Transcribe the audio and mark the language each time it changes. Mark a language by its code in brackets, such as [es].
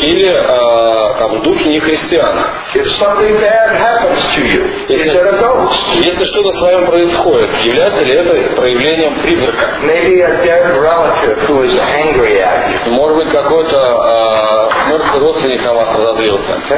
[ru] Или там духи нехристиан? [en] If something bad happens to you, is that a ghost? [ru] Если что-то с вами происходит, является ли это проявлением призрака? [en] Maybe a dead relative who is angry at you. [ru] Может быть, какой-то мертвый родственник на вас разозлился.